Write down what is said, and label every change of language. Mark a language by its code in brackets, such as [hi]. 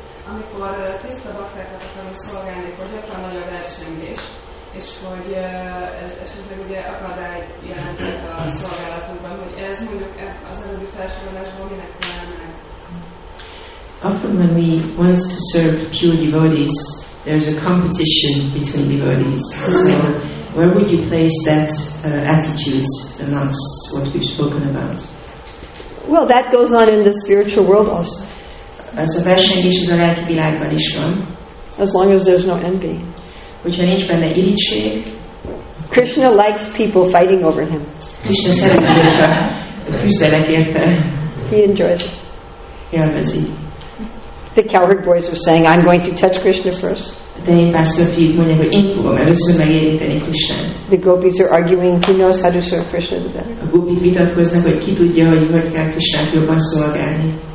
[hu] Amikor tiszta baktákat akarunk szolgálni, hogy ott van nagy a versengés, és hogy ez esetleg ugye akadály jelentett a szolgálatunkban, hogy ez mondjuk az előbbi felsorolásból minek kellene. [en] Often when we want to serve pure devotees, there is a competition between devotees. So where would you place that attitude amongst what we've spoken about? Well, that goes on in the spiritual world also. [hu] Ez a versengés is a lelki világban is van. [en] As long as there's no envy. [hu] Hogyha nincs benne irigység. [en] Krishna likes people fighting over him. [hu] Krishna szereti, hogyha küzdenek érte. [en] He enjoys it. [hu] Élvezi. [en] The coward boys are saying, I'm going to touch Krishna first. [hu] De én Pastor Fiat mondja, hogy én fogom először megérinteni Krishnát. [en] The gopis are arguing, who knows how to serve Krishna the better. [hu] A gopik vitatkoznak, hogy ki tudja, hogy kell Krishnát jobban szolgálni.